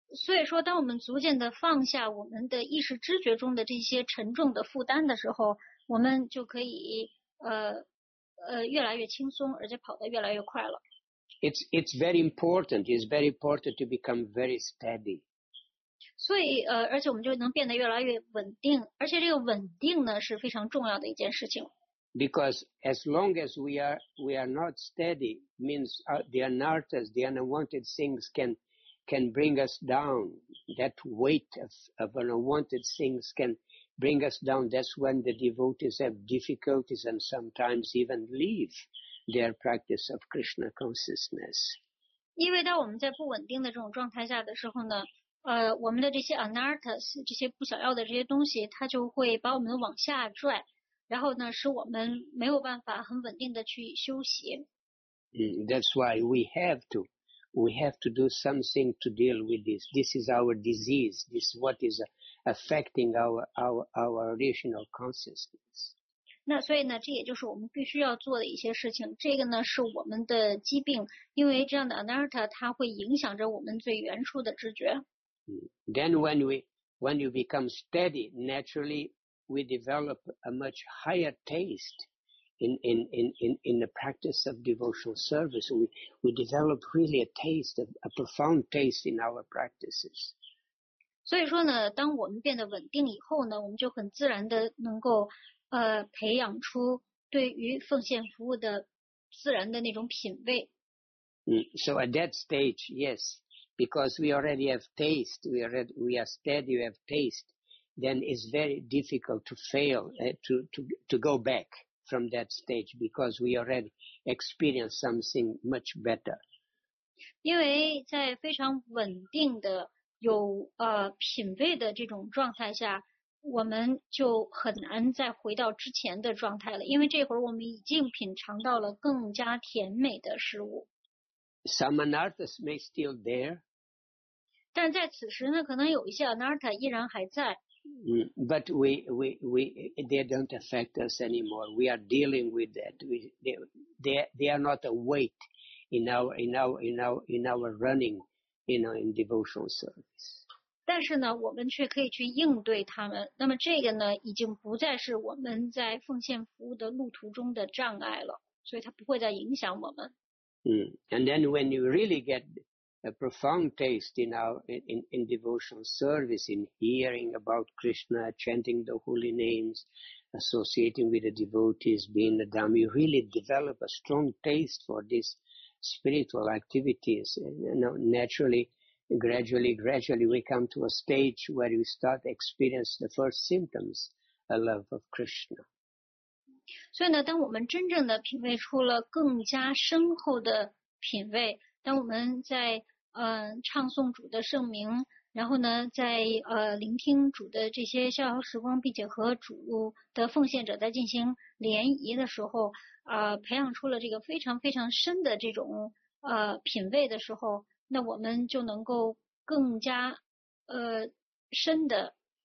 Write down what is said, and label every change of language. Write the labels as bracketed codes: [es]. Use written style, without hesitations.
[zh] 所以说当我们逐渐地放下我们的意识知觉中的这些沉重的负担的时候，我们就可以越来越轻松，而且跑得越来越快了。 [en] It's very important. It's very important to become very steady. [zh] 所以而且我们就能变得越来越稳定，而且这个稳定呢是非常重要的一件事情。 [en] Because as long as we are not steady, means the anarthas, the unwanted things can bring us down. That weight of unwanted things can bring us down. That's when the devotees have difficulties and sometimes even leave. Their practice of Krishna consciousness. [zh] 因为当我们在不稳定的这种状态下的时候呢，我们的这些 anarthas, 这些不想要的这些东西，它就会把我们往下拽，然后呢，使我们没有办法很稳定的去休息。 [en] That's why we have to do something to deal with this. This is our disease. This is what is affecting our original consciousness. [zh] 那所以呢，这也就是我们必须要做的一些事情。这个呢，是我们的疾病，因为这样的 anartha 它会影响着我们最原初的知觉。 [en] Then when you become steady, naturally we develop a much higher taste in the practice of devotional service. We develop really a profound taste in our practices. [zh] 所以说呢，当我们变得稳定以后呢，我们就很自然的能够。培养出对于奉献服务的自然的那种品味。 [en] So at that stage, yes, because we already have taste, we are steady, we have taste, then it's very difficult to fail, to go back from that stage because we already experienced something much better. [zh] 因为在非常稳定的有品味的这种状态下我们就很难再回到之前的状态了，因为这会儿我们已经品尝到了更加甜美的食物。 [en] Some anarthas may still there. [zh] 但在此时呢，可能有一些 anartha 依然还在。 [en] But they don't affect us anymore. We are dealing with that. They are not a weight in our running, you know, in devotional service. [zh] 但是呢，我们却可以去应对他们。那么这个呢，已经不再是我们在奉献服务的路途中的障碍了，所以它不会再影响我们。 [en] And then when you really get a profound taste in devotional service, in hearing about Krishna, chanting the holy names, associating with the devotees, being a dhamma, you really develop a strong taste for these spiritual activities. Naturally, gradually, we come to a stage where we start to experience the first symptoms, a love of Krishna. [zh] 所以呢，当我们真正的品味出了更加深厚的品味，当我们在唱诵主的圣名，然后呢，在聆听主的这些逍遥时光，并且和主的奉献者在进行联谊的时候，培养出了这个非常非常深的这种品味的时候，那我们就能够更加深的。